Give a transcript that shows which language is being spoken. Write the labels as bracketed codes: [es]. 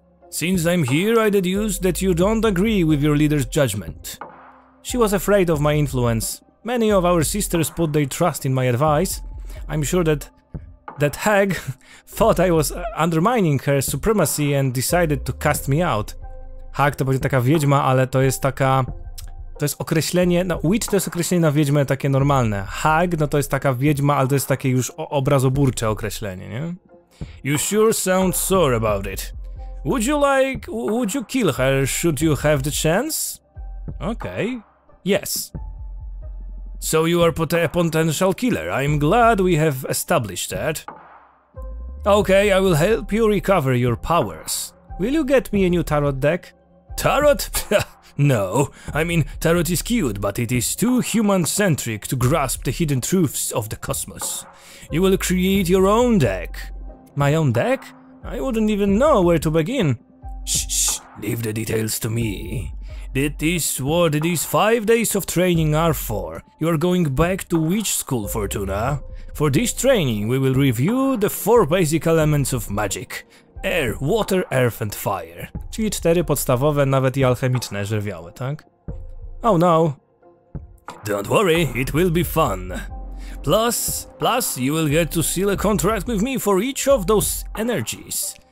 [en] Since I'm here, I deduce that you don't agree with your leader's judgment. She was afraid of my influence. Many of our sisters put their trust in my advice. I'm sure that hag thought I was undermining her supremacy and decided to cast me out. [pl] Hag to będzie taka wiedźma, ale to jest taka... To jest określenie... No, witch to jest określenie na wiedźmę takie normalne. Hag, no to jest taka wiedźma, ale to jest takie już obrazoburcze określenie, nie? [en] You sure sound sore about it. Would you kill her, should you have the chance? Okay. Yes. So you are a potential killer. I'm glad we have established that. Okay, I will help you recover your powers. Will you get me a new tarot deck? Tarot? No. I mean, tarot is cute, but it is too human-centric to grasp the hidden truths of the cosmos. You will create your own deck. My own deck? I wouldn't even know where to begin. Shh, leave the details to me. That is what these 5 days of training are for. You are going back to witch school, Fortuna. For this training, we will review the four basic elements of magic. Air, water, earth and fire. [pl] Czyli cztery podstawowe, nawet i alchemiczne żywioły, tak? [en] Oh no. Don't worry, it will be fun. Plus, you will get to seal a contract with me for each of those energies.